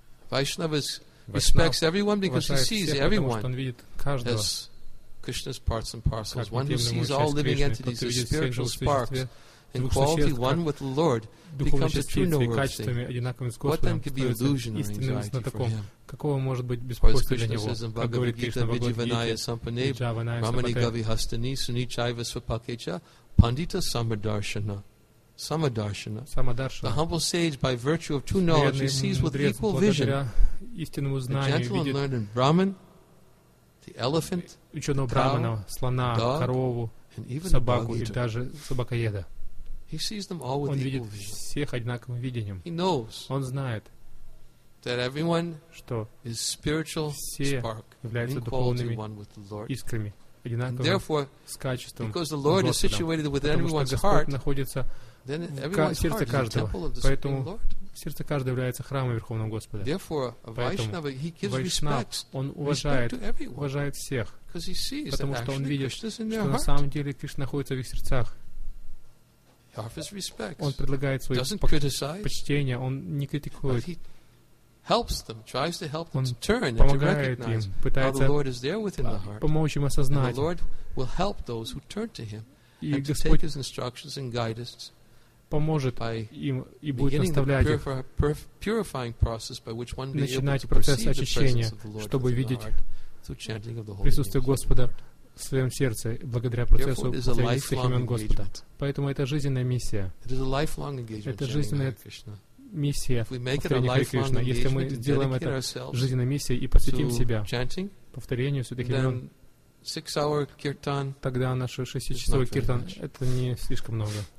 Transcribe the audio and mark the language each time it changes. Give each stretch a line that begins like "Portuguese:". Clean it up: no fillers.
English: Vaishnava respects everyone because he sees everyone as Krishna's parts and parcels. One who sees all living entities as spiritual sparks and quality one with the Lord becomes a true knower of things. What then could be illusion or anxiety for him?
Russian: Какого может быть беспокойство
English: or
Russian: Как говорит Кришна в Бхагавад-гите, Пандита Самадаршана. Самадаршана.
English: The humble sage, by virtue of true knowledge, he sees with equal vision the gentle and learned Brahman, the elephant,
Russian: ученого брахмана, слона,
English: dog,
Russian: корову, собаку и даже собакоеда. Он видит всех одинаковым видением. Он знает, что все
English: spark,
Russian: являются духовными искрами одинаковым с качеством Господа, потому что Господь находится в сердце каждого. Поэтому сердце каждого является храмом Верховного Господа. Поэтому вайшнав, он уважает всех, потому что он видит, что на самом деле Кришна находится в их сердцах. Он предлагает свои почтения, он не критикует.
English: Helps them, tries to help them
Russian: он
English: to turn to recognize how the Lord is there within the heart. And the Lord will help those who turn to Him and to take His instructions and guide us by beginning the purifying process by which one may be able to perceive the presence of the Lord within the heart through chanting of the Holy Name of the Lord.
Russian: В своем сердце, благодаря процессу посредства имен Господа. Поэтому это жизненная миссия. Это жизненная миссия повторения Хари Кришны. Если мы сделаем это жизненной миссией и посвятим себя повторению святых имен, тогда наш 6-часовой киртан – это не слишком много.